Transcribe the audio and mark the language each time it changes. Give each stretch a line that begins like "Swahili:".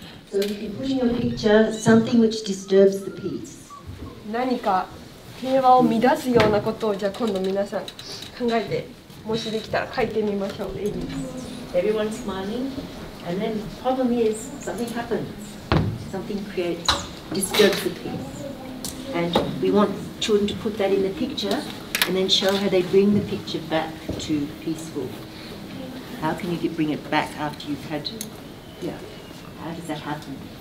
English: So if you put in your picture something which disturbs the peace.
Japanese: 何か平和を乱すようなことをじゃあ今度皆さん考えて、もしできたら描いてみましょう。
English: Everyone smiling, and then the problem is something happens. Something creates, disturbs the peace. And we want children to put that in the picture and then show how they bring the picture back to peaceful. How can you bring it back after you've had, yeah, how does that happen?